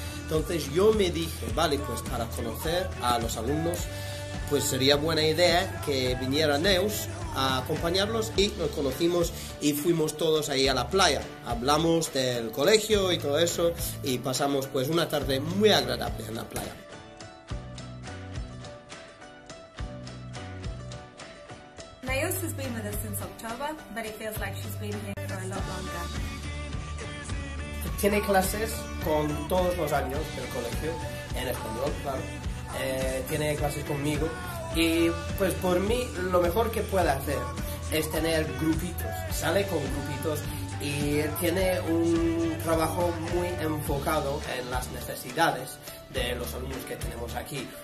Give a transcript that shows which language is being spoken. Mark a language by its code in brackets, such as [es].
[es] Entonces yo me dije, vale, pues para conocer a los alumnos, pues sería buena idea que viniera Neus a acompañarlos, y nos conocimos y fuimos todos ahí a la playa. Hablamos del colegio y todo eso y pasamos pues una tarde muy agradable en la playa. [en] Neus has been with us since October, but it feels like she's been here for a lot longer. [es] Tiene clases con todos los años del colegio, en español, claro. Tiene clases conmigo y, pues, por mí, lo mejor que puede hacer es tener grupitos. Sale con grupitos y tiene un trabajo muy enfocado en las necesidades de los alumnos que tenemos aquí.